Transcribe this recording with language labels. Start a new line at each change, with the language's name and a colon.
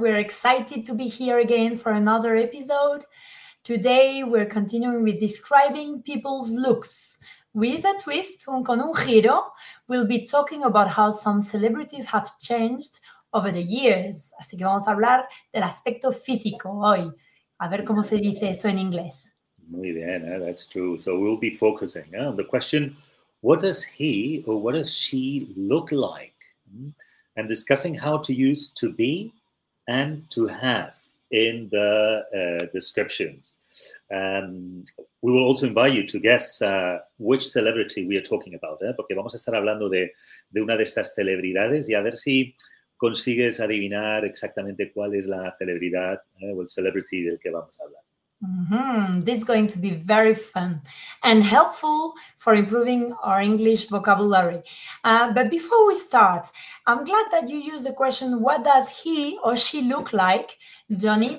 English: We're excited to be here again for another episode. Today we're continuing with describing people's looks. With a twist,
Spanish: con un giro,
English: we'll be talking about how some celebrities have changed over the years.
Spanish: Así que vamos a hablar del aspecto físico hoy. A ver cómo se dice esto en inglés. Muy bien,
English: that's true. So we'll be focusing on the question, what does he or what does she look like? And discussing how to use to be and to have in the descriptions. We will also invite you to guess which celebrity we are talking about.
Spanish: Porque vamos a estar hablando de una de estas celebridades y a ver si consigues adivinar exactamente cuál es la celebridad o el celebrity del que vamos a hablar. Mm-hmm.
English: This is going to be very fun and helpful for improving our English vocabulary. But before we start, I'm glad that you used the question, what does he or she look like, Johnny?